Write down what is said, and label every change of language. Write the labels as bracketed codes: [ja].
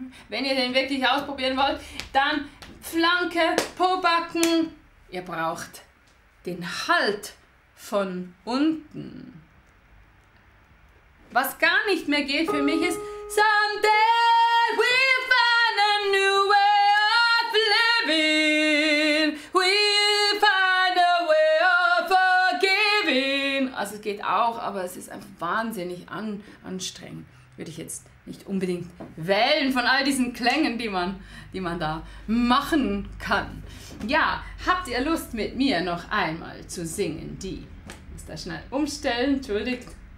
[de] Wenn ihr den wirklich ausprobieren wollt, dann Flanke, Pobacken. Ihr braucht den Halt von unten. Was gar nicht mehr geht für mich ist, [en] someday we'll find a new way of living. We'll find a way of forgiving. [de] Also es geht auch, aber es ist einfach wahnsinnig anstrengend. Würde ich jetzt nicht unbedingt wählen von all diesen Klängen, die man da machen kann. Ja, habt ihr Lust mit mir noch einmal zu singen? Die muss da schnell umstellen, entschuldigt.